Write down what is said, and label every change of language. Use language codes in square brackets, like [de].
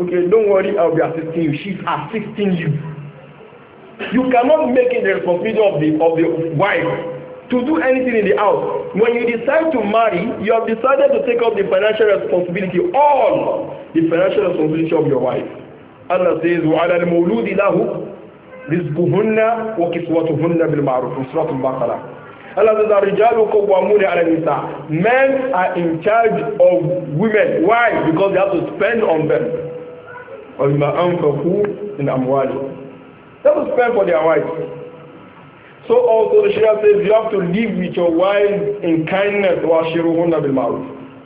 [en] Okay, don't worry, I'll be assisting you. She's assisting you. You cannot make it the responsibility of the wife to do anything in the house. When you decide to marry, you have decided to take up the financial responsibility, all the financial responsibility of your wife. Allah says, [ar] وَعَلَى الْمَوْلُودِ لَهُ رِزْقُهُنَّ وَكِسْوَتُهُنَّ بِالْمَعْرُفِ سُورَةُ الْبَقَرَةِ. [en] Allah says, [ar] الرجال قوامون على النساء. [en] Men are in charge of women. Why? Because they have to spend on them. [ar] وَمَا أَنْفَقُوا مِنْ أَمْوَالِهِمْ. [en] They have to spend for their wives. So also the Sharia says, you have to live with your wives in kindness. [ar] وَاشِرُهُنَّ بِالْمَعْرُوفِ.